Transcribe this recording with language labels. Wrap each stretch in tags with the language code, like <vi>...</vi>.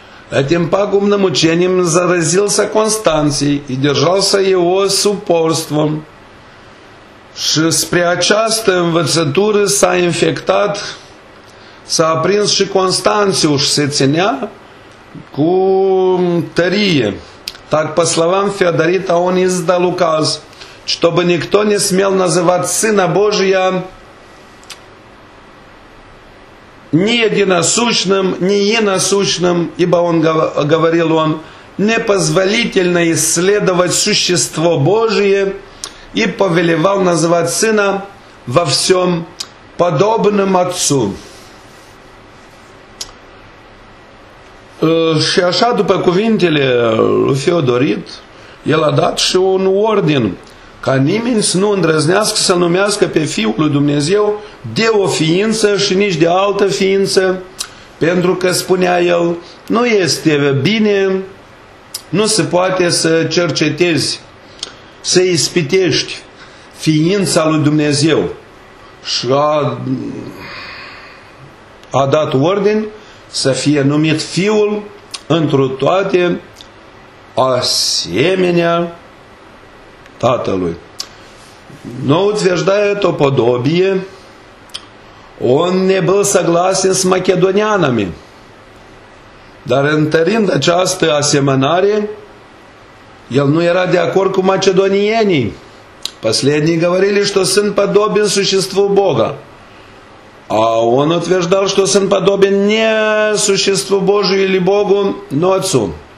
<ru>Этим пагубным мучением заразился Констанций и держался его с упорством.</ru> <ro>Și spre această învățătură s-a infectat, s-a aprins și Констанцию, și se ținea cu tărie.</ro> <ru>Так, по словам Феодорита, он издал указ, чтобы никто не смел называть Сына Божия ни единосущным, ни иносущным, ибо он говорил он, непозволительно исследовать существо Божие, и повелевал называть Сына во всем подобным Отцу.</ru> <ro>Și așa, după cuvintele lui Feodorit, el a dat și un ordin ca nimeni să nu îndrăznească să numească pe Fiul lui Dumnezeu de o ființă și nici de altă ființă, pentru că, spunea el, nu este bine, nu se poate să cercetezi, să ispitești ființa lui Dumnezeu. Și a dat ordin să fie numit Fiul întru toate asemenea Tatălui.</ro> <ru>Но утверждая то подобие, он не был согласен с македонянами.</ru> <ro>Dar întărind această asemănare, el nu era de acord cu macedonienii.</ro> <ru>Последние говорили, что сын подобен существу Бога. А он утверждал, что сын подобен не существу Божию или Богу, но Отцу.</ru>